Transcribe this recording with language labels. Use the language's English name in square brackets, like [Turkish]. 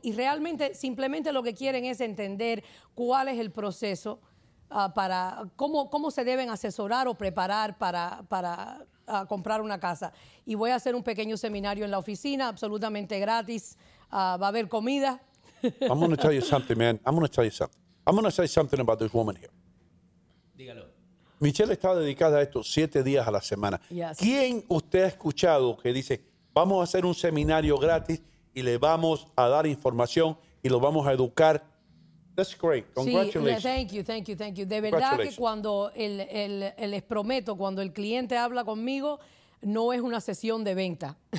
[Spanish] Y realmente simplemente lo que quieren es entender cuál es el proceso para cómo se deben asesorar o preparar para comprar una casa. Y voy a hacer un pequeño seminario en la oficina, absolutamente gratis. Va a haber comida. [English] I'm going to tell you something, man. I'm going to say something about this woman here. [Spanish] Dígalo. Michelle está dedicada a esto 7 días a la semana. [English] Yes. [Spanish] ¿Quién usted ha escuchado que dice, vamos a hacer un seminario gratis y le vamos a dar información y lo vamos a educar? [English] That's great. Congratulations. Sí, thank you. [Spanish] De verdad que cuando les prometo, cuando el cliente habla conmigo, no es una sesión de venta.